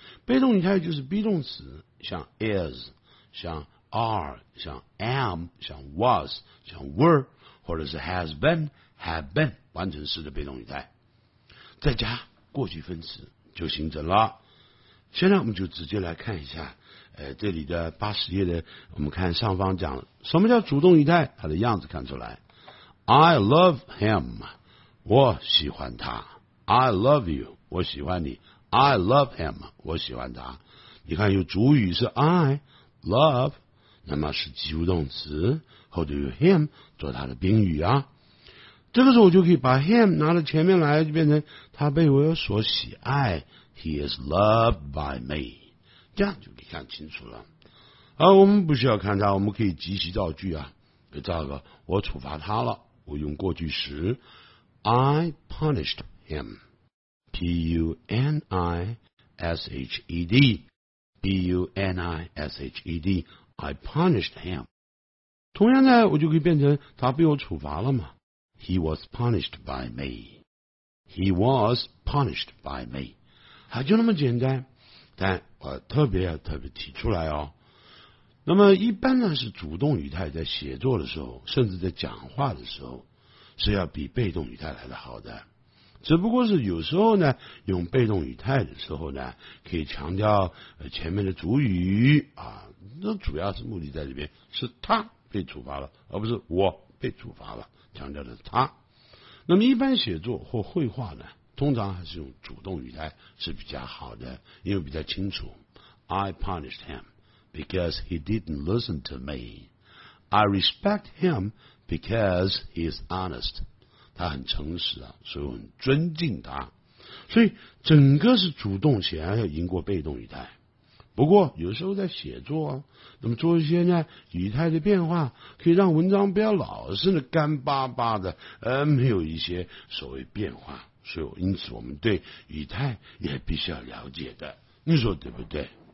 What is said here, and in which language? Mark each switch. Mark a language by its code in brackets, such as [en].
[zh] 被动语态就是 be 动词，像 is、像 are、像 am、像 was、像 were， 或者是 has been、have been， 完成式的被动语态。再加过去分词就形成了。现在我们就直接来看一下，这里的80页的，我们看上方讲什么叫主动语态，它的样子看出来。 [en] I love him， [zh] 我喜欢他。 [en] I love you， [zh] 我喜欢你。 [en] I love him， [zh] 我喜欢他。你看有主语是 I love， 那么是及物动词，后头有 him 做他的宾语啊。这个时候我就可以把 him 拿到前面来，就变成他被我所喜爱。 [en] He is loved by me， [zh] 这样就可以看清楚了。我们不需要看他，我们可以即席造句啊。就造个我处罚他了，我用过去时 [en] I punished him， [zh] P-U-N-I-S-H-E-D， P-U-N-I-S-H-E-D， I punished him。同样呢，我就可以变成他被我处罚了嘛。 [en] He was punished by me， He was punished by me， [zh] 还就那么简单。但我特别要特别提出来哦，那么一般呢是主动语态在写作的时候，甚至在讲话的时候，是要比被动语态来得好的。只不过是有时候呢，用被动语态的时候呢，可以强调前面的主语啊，那主要是目的在这边，是他被处罚了，而不是我被处罚了，强调的是他。那么一般写作或绘画呢，通常还是用主动语态是比较好的，因为比较清楚。 [en] I punished him because he didn't listen to me. I respect him because he is honest. [zh] 他很诚实啊，所以我很尊敬他，所以整个是主动显然要赢过被动语态。不过有时候在写作啊，那么做一些呢语态的变化，可以让文章不要老是的干巴巴的，没有一些所谓变化，所以因此我们对语态也必须要了解的，你说对不对？